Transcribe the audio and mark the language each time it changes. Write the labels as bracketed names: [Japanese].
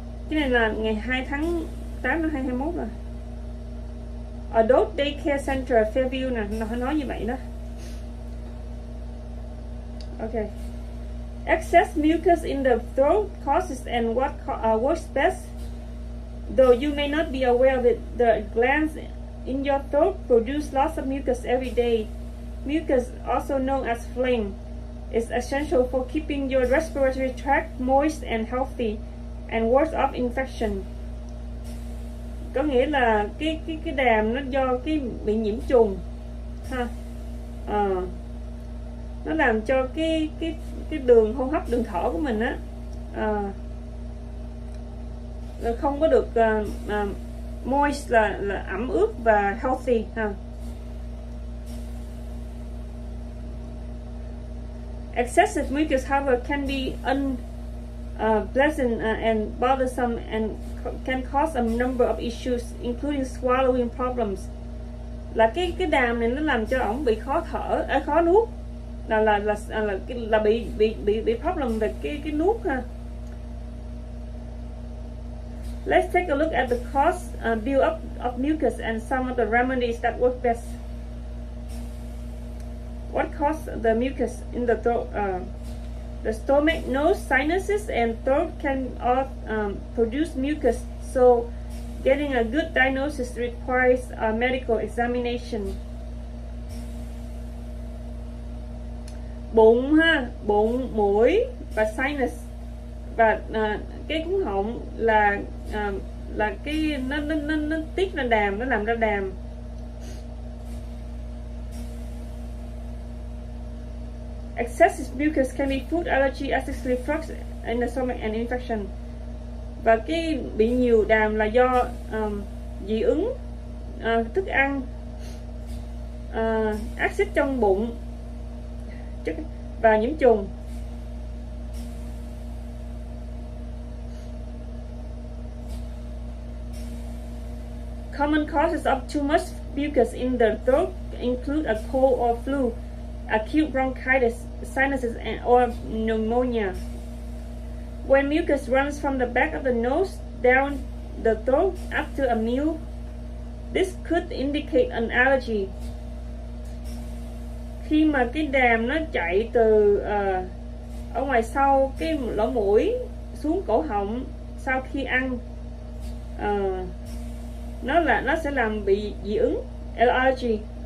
[Vietnamese] Này là ngày 2 tháng 8 năm 2021 rồi. Adult Daycare Center Fairview nè, nó nói như vậy đó. [English] Okay. Excess mucus in the throat causes and what works best, though you may not be aware of it, the glands in your throat produce lots of mucus every day. Mucus, also known as phlegm, is essential for keeping your respiratory tract moist and healthy and wards off infection. [Vietnamese] Có nghĩa là cái đàm nó do cái bị nhiễm trùng ha. Nó làm cho cái đường hô hấp, đường thở của mình á không có được moist là ẩm ướt và healthy ha. [English] Excessive mucus, however, can be unpleasant and bothersome and can cause a number of issues including swallowing problems. [Vietnamese] Là cái đàm này nó làm cho ổng bị khó thở, khó nuốt. Là bị problem về cái nuốt ha. [English] Let's take a look at the cause build up of mucus and some of the remedies that work best. What causes the mucus in the throat? The stomach, nose, sinuses, and throat can all produce mucus, so getting a good diagnosis requires a medical examination. [Vietnamese] Bụng ha, bụng, mũi và sinus và cái cuống họng là cái nó tiết ra đàm, nó làm ra đàm. [English] Excessive mucus can be food allergy, acid reflux in the stomach and infection. [Vietnamese] Và cái bị nhiều đàm là do dị ứng thức ăn, axit trong bụng chất và nhiễm trùng. [English] Common causes of too much mucus in the throat include a cold or flu, acute bronchitis, sinuses, and or pneumonia. When mucus runs from the back of the nose down the throat after a meal, this could indicate an allergy. [Vietnamese] Khi mà cái đàm nó chạy từ ở ngoài sau cái lỗ mũi xuống cổ họng sau khi ăn, nó sẽ làm bị dị ứng, allergy.